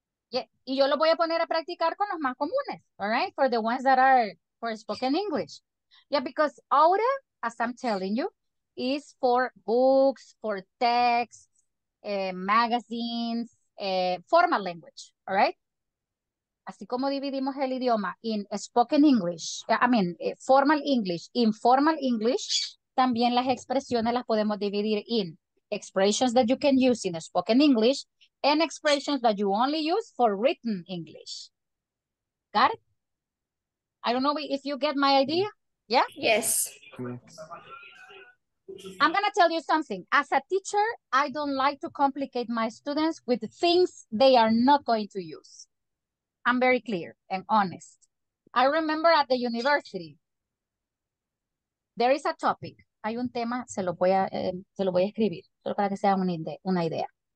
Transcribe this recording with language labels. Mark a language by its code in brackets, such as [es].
[es] Yeah. Y yo lo voy a poner a practicar con los más comunes, [en] all right? For the ones that are for spoken English. Yeah, because oughta, as I'm telling you, is for books, for texts, magazines, formal language, all right? [es] Así como dividimos el idioma [en] in spoken English, I mean, formal English, informal English, [es] también las expresiones las podemos dividir [en] in expressions that you can use in spoken English and expressions that you only use for written English. Got it? I don't know if you get my idea. Yeah? Yes. I'm going to tell you something. As a teacher, I don't like to complicate my students with things they are not going to use. I'm very clear and honest. I remember at the university, there is a topic. [es] Hay un tema, se lo voy a escribir, solo para que sea una idea.